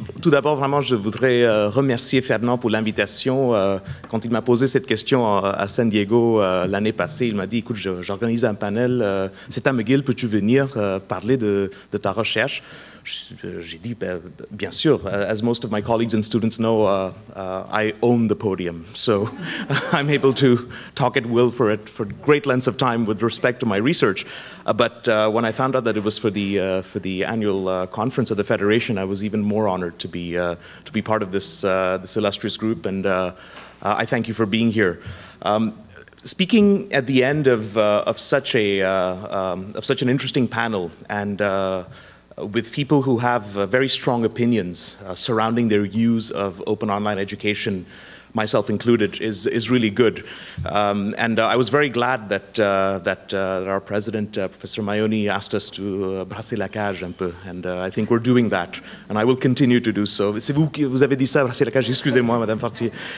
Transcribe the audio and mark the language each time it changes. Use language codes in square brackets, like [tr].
[fr] Tout d'abord, vraiment, je voudrais remercier Fernand pour l'invitation. Quand il m'a posé cette question à San Diego l'année passée, il m'a dit, écoute, j'organise un panel. C'est à McGill, peux-tu venir parler de ta recherche? J'ai dit, bien sûr. [en] As most of my colleagues and students know, I own the podium. So I'm able to talk at will for great lengths of time with respect to my research. But when I found out that it was for the annual conference of the Federation, I was even more honored to be part of this, this illustrious group. And I thank you for being here. Speaking at the end of such a of such an interesting panel and with people who have very strong opinions surrounding their use of open online education, myself included, is really good. I was very glad that that our president, Professor Maioni, asked us to [fr] brasser la cage un peu, [en] and I think we're doing that, and I will continue to do so. [fr] C'est vous qui vous avez dit ça, brasser la cage, excusez-moi, Madame Fortier.